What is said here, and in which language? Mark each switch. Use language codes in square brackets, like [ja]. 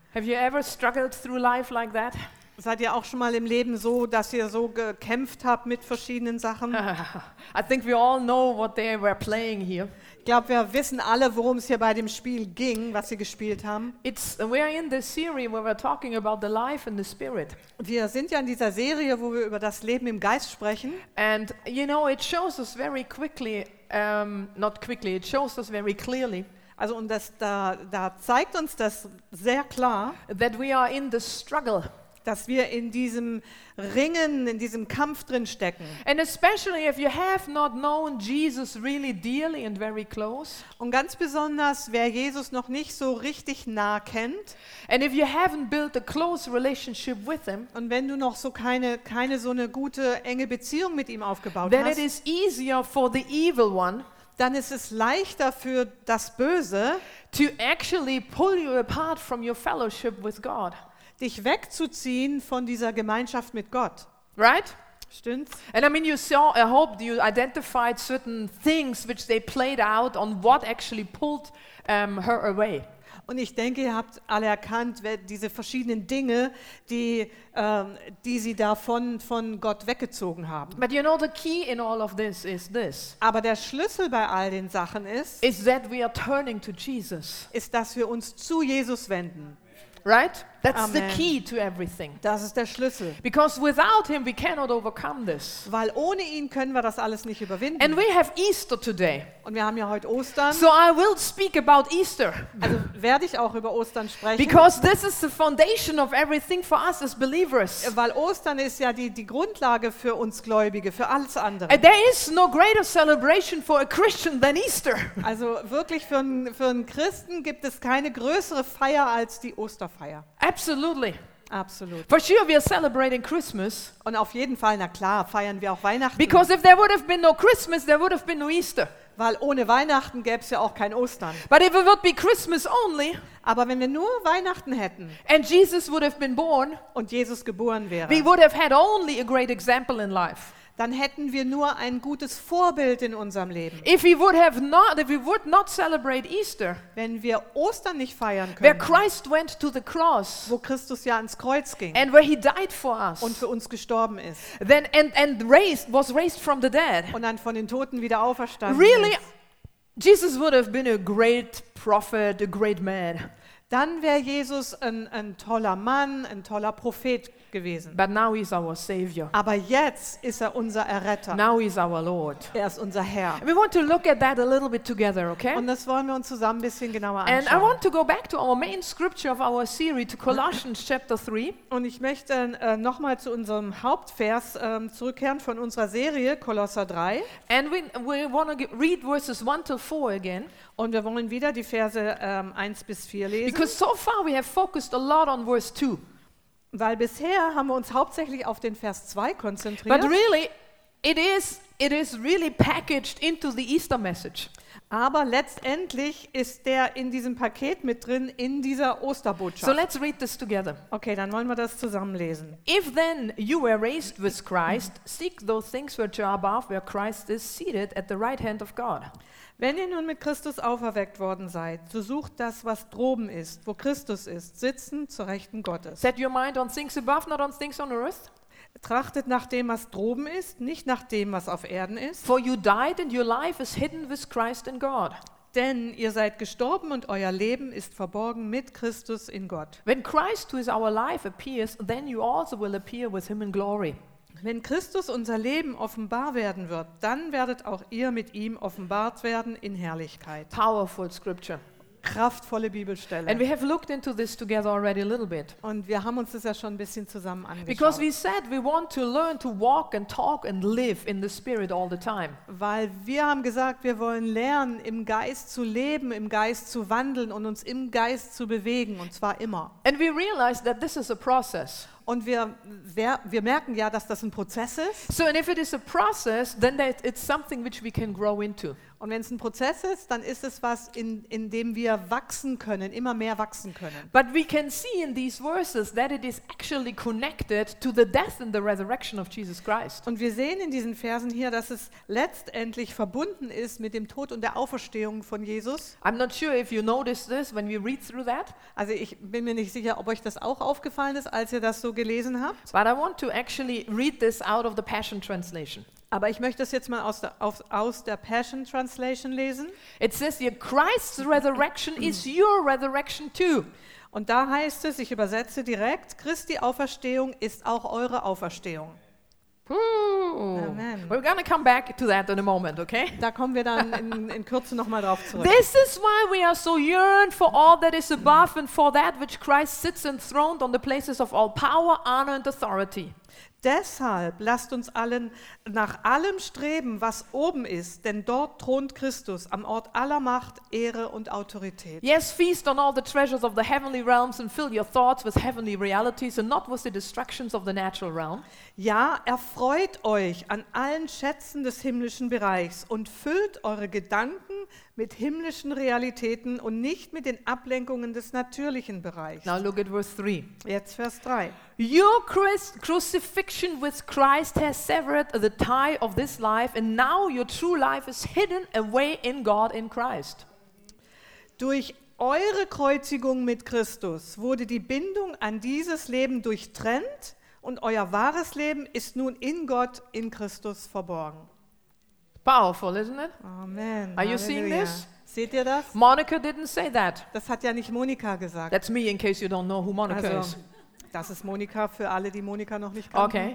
[en] Have you ever struggled through life like that? [de] Seid ihr auch schon mal im Leben so, dass ihr so gekämpft habt mit verschiedenen Sachen? [en] I think we all know what they were playing here. [de] Ich glaube, wir wissen alle, worum es hier bei dem Spiel ging, was sie gespielt haben. [en] It's we are in this series where we're talking about the life and the spirit. [de] Wir sind ja in dieser Serie, wo wir über das Leben im Geist sprechen. [en] And you know, it shows us very quickly, not quickly. It shows us very clearly. [de] Also und das da zeigt uns das sehr klar, [en] that we are in the struggle, [de] dass wir in diesem Ringen, in diesem Kampf drin stecken. [en] And especially if you have not known Jesus really dearly and very close. [de] Und ganz besonders, wer Jesus noch nicht so richtig nah kennt. [en] And if you haven't built a close relationship with him. [de] Und wenn du noch so keine so eine gute enge Beziehung mit ihm aufgebaut [en] then [de] hast. [en] Then it is easier for the evil one. [de] Dann ist es leichter für das Böse, [en] to actually pull you apart from your fellowship with God, [de] dich wegzuziehen von dieser Gemeinschaft mit Gott, [en] right? [de] Stimmt's? [en] And I mean, you saw, I hope you identified certain things which they played out on what actually pulled her away. [de] Und ich denke, ihr habt alle erkannt, diese verschiedenen Dinge, die sie davon von Gott weggezogen haben. [en] But you know, the key in all of this is this. [de] Aber der Schlüssel bei all den Sachen ist, [en] is that we are turning to Jesus. [de] Ist, dass wir uns zu Jesus wenden. [en] Right? That's Amen. The key to everything. [de] Das ist der Schlüssel. [en] Because without him we cannot overcome this. [de] Weil ohne ihn können wir das alles nicht überwinden. [en] And we have Easter today. [de] Und wir haben ja heute Ostern. [en] So I will speak about Easter. [de] Also werde ich auch über Ostern sprechen. [en] Because this is the foundation of everything for us as believers. [de] Weil Ostern ist ja die Grundlage für uns Gläubige, für alles andere. [en] And there is no greater celebration for a Christian than Easter. [de] Also wirklich für einen Christen gibt es keine größere Feier als die Osterfeier. [en] Absolutely. [de] Absolut. [en] For sure we are celebrating Christmas. [de] Und auf jeden Fall, na klar, feiern wir auch Weihnachten. [en] Because if there would have been no Christmas, there would have been no Easter. [de] Weil ohne Weihnachten gäb's ja auch kein Ostern. [en] But if it would be Christmas only, [de] aber wenn wir nur Weihnachten hätten, [en] and Jesus would have been born, [de] und Jesus geboren wäre, [en] we would have had only a great example in life. [de] Dann hätten wir nur ein gutes Vorbild in unserem Leben. [en] If we would not celebrate Easter, [de] wenn wir Ostern nicht feiern können, [en] where Christ went to the cross, [de] wo Christus ja ans Kreuz ging, [en] and where he died for us, [de] und für uns gestorben ist, [en] then and raised was raised from the dead, [de] und dann von den Toten wieder auferstanden, [en] really, [de] ist, [en] Jesus would have been a great prophet, a great man. [de] Dann wäre Jesus ein toller Mann, ein toller Prophet gewesen. [en] But now he's our savior. [de] Aber jetzt ist er unser Erretter. [en] Now he's our Lord. [de] Er ist unser Herr. [en] We want to look at that a little bit together, okay? [de] Und das wollen wir uns zusammen ein bisschen genauer anschauen. [en] And I want to go back to our main scripture of our series, to Colossians chapter 3. [de] Und ich möchte nochmal zu unserem Hauptvers zurückkehren von unserer Serie, Kolosser 3. [en] And we want to read verses 1 to 4 again. [de] Und wir wollen wieder die Verse 1 bis 4 lesen. [en] Because so far we have focused a lot on verse 2. [de] Weil bisher haben wir uns hauptsächlich auf den Vers 2 konzentriert. [en] But really, it is really packaged into the Easter message. [de] Aber letztendlich ist der in diesem Paket mit drin, in dieser Osterbotschaft. [en] So let's read this together. [de] Okay, dann wollen wir das zusammenlesen. [en] If then you were raised with Christ, seek those things which are above, where Christ is seated at the right hand of God. [de] Wenn ihr nun mit Christus auferweckt worden seid, so sucht das, was droben ist, wo Christus ist, sitzen zur Rechten Gottes. [en] Set your mind on things above, not on things on earth. [de] Trachtet nach dem, was droben ist, nicht nach dem, was auf Erden ist. [en] For you died and your life is hidden with Christ in God. [de] Denn ihr seid gestorben und euer Leben ist verborgen mit Christus in Gott. [en] When Christ, who is our life, appears, then you also will appear with him in glory. [de] Wenn Christus unser Leben offenbar werden wird, dann werdet auch ihr mit ihm offenbart werden in Herrlichkeit. [en] Powerful scripture. [de] kraftvolle Bibelstelle. [en] And we have looked into this together already a little bit. [de] Und wir haben uns das ja schon ein bisschen zusammen angeschaut. [en] Because we said we want to learn to walk and talk and live in the Spirit all the time. [de] Weil wir haben gesagt, wir wollen lernen, im Geist zu leben, im Geist zu wandeln und uns im Geist zu bewegen, und zwar immer. [en] And we realized that this is a process. [de] Und wir merken ja, dass das ein Prozess ist. [en] So, and if it is a process, then that it's something which we can grow into. [de] Und wenn es ein Prozess ist, dann ist es was, in dem wir wachsen können, immer mehr wachsen können. [en] But we can see in these verses that it is actually connected to the death and the resurrection of Jesus Christ. [de] Und wir sehen in diesen Versen hier, dass es letztendlich verbunden ist mit dem Tod und der Auferstehung von Jesus. [en] I'm not sure if you noticed this when we read through that. [de] Also ich bin mir nicht sicher, ob euch das auch aufgefallen ist, als ihr das so gelesen habt. [en] But I want to actually read this out of the Passion Translation. [de] Aber ich möchte das jetzt mal aus der Passion Translation lesen. [en] It says here, Christ's resurrection is your resurrection too. [de] Und da heißt es, ich übersetze direkt, Christi Auferstehung ist auch eure Auferstehung. [en] Amen. We're gonna come back to that in a moment, okay? [de] Da kommen wir dann in Kürze nochmal drauf zurück. [en] This is why we are so yearned for all that is above and for that which Christ sits enthroned on the places of all power, honor and authority. [de] Deshalb lasst uns allen nach allem streben, was oben ist, denn dort thront Christus am Ort aller Macht, Ehre und Autorität. [en] Yes, feast on all the treasures of the heavenly realms and fill your thoughts with heavenly realities and not with the distractions of the natural realm. [de] Ja, erfreut euch an allen Schätzen des himmlischen Bereichs und füllt eure Gedanken mit himmlischen Realitäten und nicht mit den Ablenkungen des natürlichen Bereichs. [en] Now look at verse 3. [de] Jetzt Vers 3. [en] Your crucifixion with Christ has severed the tie of this life, and now your true life is hidden away in God in Christ. [de] Durch eure Kreuzigung mit Christus wurde die Bindung an dieses Leben durchtrennt, und euer wahres Leben ist nun in Gott in Christus verborgen. [en] Powerful, isn't it? [de] Amen. [en] Are you seeing this? [de] Seht ihr das? [en] Monica didn't say that. [de] Das hat ja nicht Monika gesagt. [en] That's me, in case you don't know who Monica is. [de] Das ist Monika für alle, die Monika noch nicht kennen.